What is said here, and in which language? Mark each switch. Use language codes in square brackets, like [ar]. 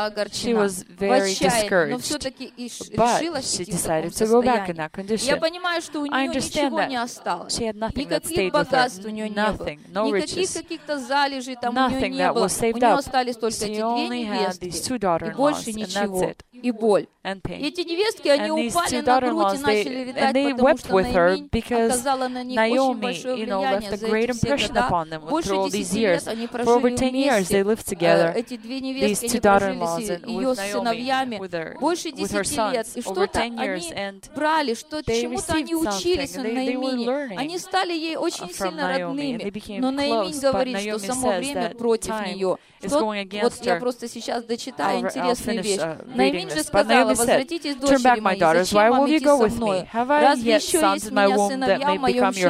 [en] She was very discouraged, but she decided to go back in that condition. I understand that she had nothing that stayed with her, nothing, no riches, nothing that was saved up. She only had these two daughter-in-laws, and that's it. [ru] И боль. [en] And pain. [ru] Эти невестки, они and упали на грудь и начали рыдать, потому что Наоми оказала на них Naomi, очень большое влияние за эти все года. Больше 10 лет они прожили вместе. Эти две невестки, они прожили с ее сыновьями больше 10 лет. И что-то они брали, чему-то они учились у Наомини. Они стали ей очень сильно родными. Но Наоми говорит, что само время против нее. Вот я просто сейчас дочитаю интересную вещь. [en] But Naomi said, "Turn back, my daughters. Why will you go with me? Have I yet sons in my womb that may become your